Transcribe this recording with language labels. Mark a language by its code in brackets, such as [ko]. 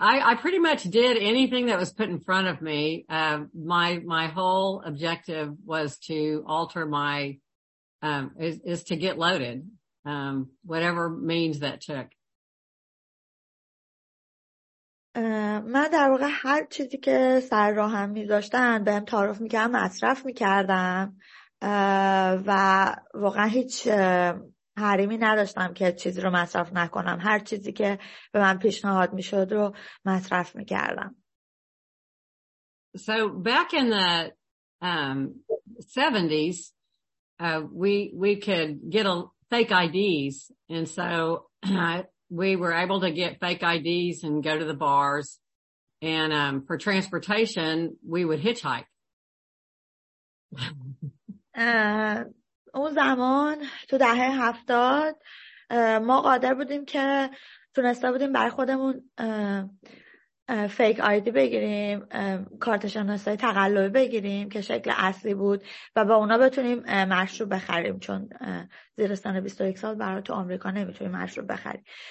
[en] I pretty much did anything that was put in front of me. My whole objective was to alter my is to get loaded, whatever means that took. [fa] من در واقع هر چیزی که سر راهم میذاشتن بهم تعارف میکردم، مصرف میکردم و واقعا هیچ حریمی نداشتم که چیزی رو مصرف نکنم. هر چیزی که به من پیشنهاد میشد رو مصرف میکردم. [en] So back in the 70s, we could get fake IDs, and so we were able to get fake IDs and go to the bars, and for transportation we would hitchhike. [fa] اون زمان تو دهه 70 ما قادر بودیم که تونسته بودیم برای خودمون فیک آیدی بگیریم، کارت شناسایی تقلبی بگیریم که شکل اصلی بود و با اونا بتونیم مشروب بخریم، چون زیر سن 21 سال برای تو آمریکا نمیتونیم مشروب بخریم.